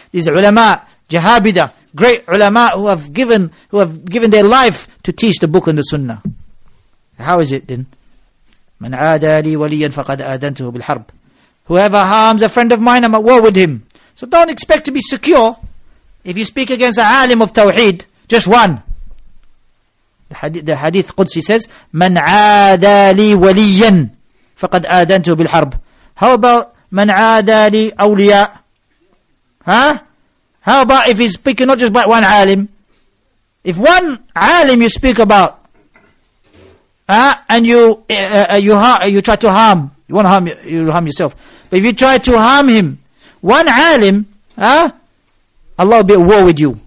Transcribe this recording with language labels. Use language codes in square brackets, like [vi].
[en] These ulama, jahabida, great ulama who have given their life to teach the book and the sunnah. How is it then? [ar] مَنْ عَادَى لِي وَلِيًّا فَقَدْ أَذَنْتُهُ بِالْحَرْبِ. [en] Whoever harms a friend of mine, I'm at war with him. So don't expect to be secure if you speak against a alim of tawheed, just one. The hadith Qudsi says, [ar] مَنْ عَادَى لِي وَلِيًّا فَقَدْ أَذَنْتُهُ بِالْحَرْبِ. [en] How about [ar] مَنْ عَادَى لِي أَوْلِيَا? [en] How about if he's speaking not just about one alim? If one alim you speak about, and you try to harm, you want to harm, you harm yourself. But if you try to harm him, one alim, Allah will be at war with you.